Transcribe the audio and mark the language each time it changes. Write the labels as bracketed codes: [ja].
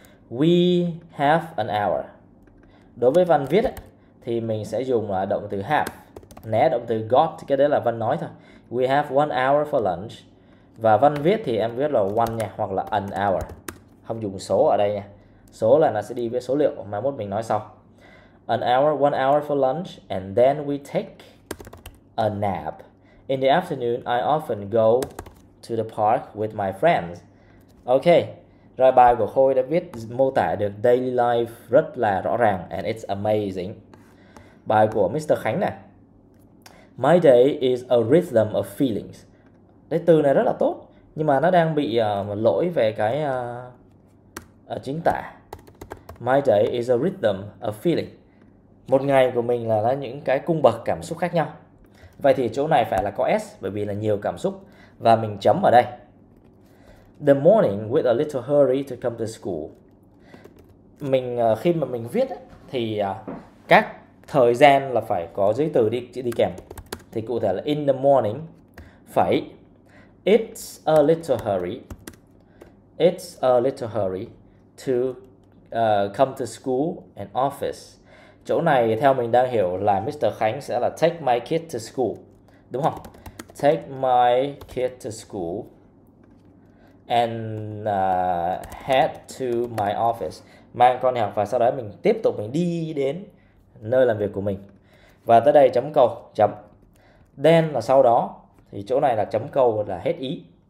[en] We have an hour. [vi] Đối với văn viết thì mình sẽ dùng là động từ have. Né động từ got, cái đấy là văn nói thôi. [en] We have 1 hour for lunch. [vi] Và văn viết thì em viết là one nha, hoặc là an hour. Không dùng số ở đây nha. Số là nó sẽ đi với số liệu mà mốt mình nói sau. [en] An hour, 1 hour for lunch, and then we take a nap. In the afternoon, I often go to the park with my friends. [vi] Ok, rồi bài của Khôi đã viết mô tả được daily life rất là rõ ràng, [en] and it's amazing. [vi] Bài của Mr. Khánh này. [en] My day is a rhythm of feelings. [vi] Đấy, từ này rất là tốt, nhưng mà nó đang bị lỗi về cái chính tả. [en] My day is a rhythm of feeling. [vi] Một ngày của mình là những cái cung bậc cảm xúc khác nhau. Vậy thì chỗ này phải là có S bởi vì là nhiều cảm xúc và mình chấm ở đây. [en] The morning with a little hurry to come to school. [vi] Mình khi mà mình viết ấy, thì các thời gian là phải có giấy từ đi đi kèm. Thì cụ thể là [en] in the morning [vi] phải [en] it's a little hurry. It's a little hurry to come to school and office. [vi] Chỗ này theo mình đang hiểu là Mr. [en] Khánh [vi] sẽ là [en] take my kid to school. [vi] Đúng không? [en] Take my kid to school and head to my office. [vi] Mang con đi học và sau đó mình tiếp tục mình đi đến nơi làm việc của mình. Và tới đây chấm câu, chấm. Then là sau đó thì chỗ này là chấm câu là hết ý.